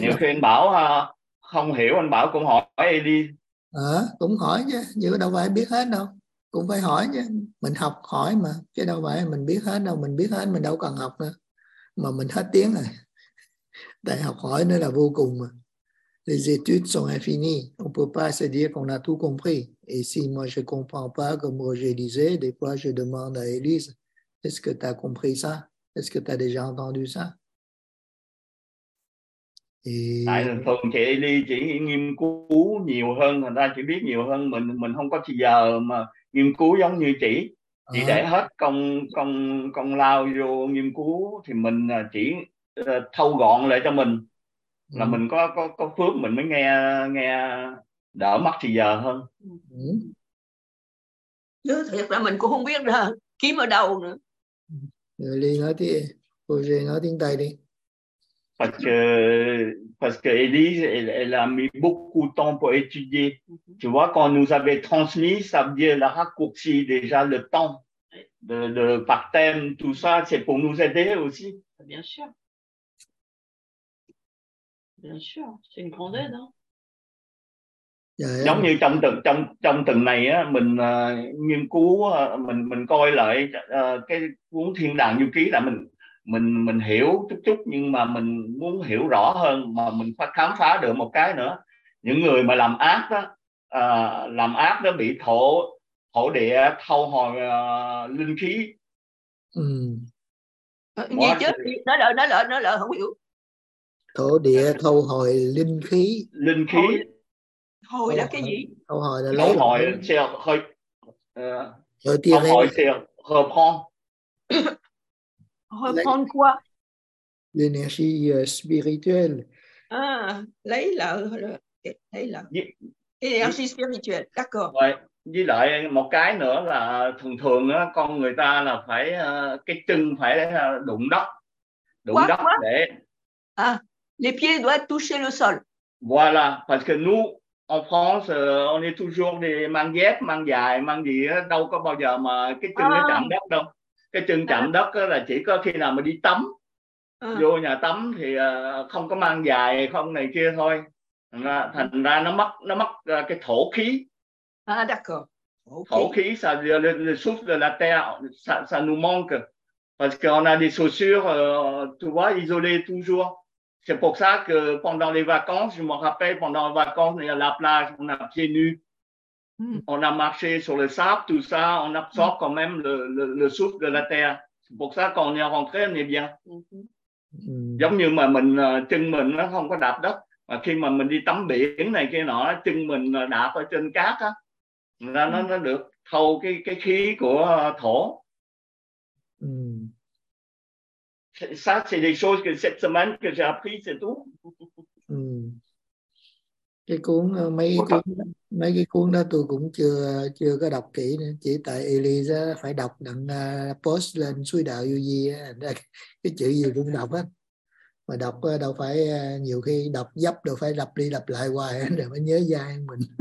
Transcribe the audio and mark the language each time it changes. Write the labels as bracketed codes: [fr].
[vi] nhiều khi anh Bảo không hiểu, anh Bảo cũng hỏi đi. Cũng hỏi chứ, nhưng đâu phải biết hết đâu. Cũng phải hỏi chứ, mình học hỏi mà. Chứ đâu phải mình biết hết đâu, mình biết hết mình đâu cần học nữa. Mà mình hết tiếng rồi. Tại học hỏi nữa là vô cùng mà. [fr] Les études sont infinies. On ne peut pas se dire qu'on a tout compris. Et si moi je ne comprends pas, comme Roger disait, des fois je demande à Élise, est-ce que tu as compris ça? Est-ce que tu as déjà entendu ça? [vi] Tại thường chị Eli chỉ nghiên cứu nhiều hơn, thành ra chị biết nhiều hơn mình không có thời giờ mà nghiên cứu giống như chị để hết công lao vô nghiên cứu thì mình chỉ thâu gọn lại cho mình là mình có phước mình mới nghe đỡ mất thời giờ hơn. Chứ thiệt là mình cũng không biết là kiếm ở đâu nữa. Eli nói đi, cô Jie nói tiếng Tây đi. [fr] Parce que Élise, elle a mis beaucoup de temps pour étudier. Tu vois, quand on nous avait transmis, ça veut dire la raccourci déjà le temps de par thème, tout ça, c'est pour nous aider aussi. Bien sûr. Bien sûr, c'est une grande aide. Hein? [vi] Giống như trong từng này á, mình nghiên cứu, mình coi lại cái cuốn Thiên Đàng Du Ký là mình hiểu chút chút, nhưng mà mình muốn hiểu rõ hơn, mà mình phải khám phá được một cái nữa. Những người mà làm ác đó, làm ác nó bị thổ thổ địa thâu hồi linh khí. Gì chứ? Nói lỡ không hiểu. Thổ địa thâu hồi linh khí. Linh khí. Hồi là cái gì? Thâu hồi là lấy. Hồi xeo hơi. Hồi tiên hồi xeo hợp phong. Hợp phong quoi? [fr] L'énergie spirituelle. [vi] À, lấy lỡ. Lấy lỡ. [fr] L'énergie spirituelle. D'accord. Ouais. [vi] Với lại một cái nữa là thường thường con người ta là phải cái chân phải đụng đất. Đụng đất để [fr] à, les pieds doivent toucher le sol. Voilà, parce que nous en France on est toujours des [vi] mang dép, mang dài, mang gì đó, đâu có bao giờ mà cái chân nó chạm đất đâu. Cái chân chạm đất là chỉ có khi nào mà đi tắm. Vô nhà tắm thì không có mang dài không này kia thôi. Thành ra nó mất cái thổ khí. [fr] Ah, d'accord. Thổ khí, ça le souffle de la terre, ça nous manque. Parce qu'on a des chaussures, tu vois, isolées toujours. C'est pour ça que pendant les vacances, je me rappelle, pendant les vacances, à la plage, on a pieds nus. On a marché sur le sable, tout ça, on absorbe quand même le souffle de la terre. C'est pour ça qu'on est rentré, on est bien. [vi] Giống như mà mình, chân mình nó không có đạp đất. Mà khi mà mình đi tắm biển này kia nọ, chân mình đạp ở trên cát á. Nó được thâu cái khí của thổ. [fr] Ça c'est des choses que cette semaine que j'ai appris, c'est tout. [vi] Cái cuốn mấy cái cuốn đó tôi cũng chưa có đọc kỹ nữa, chỉ tại Elisa phải đọc đặng post lên suối đạo vô gì á, cái chữ gì cũng đọc á, mà đọc đâu phải nhiều khi đọc dấp đâu phải lặp đi lặp lại hoài để mới nhớ dai mình.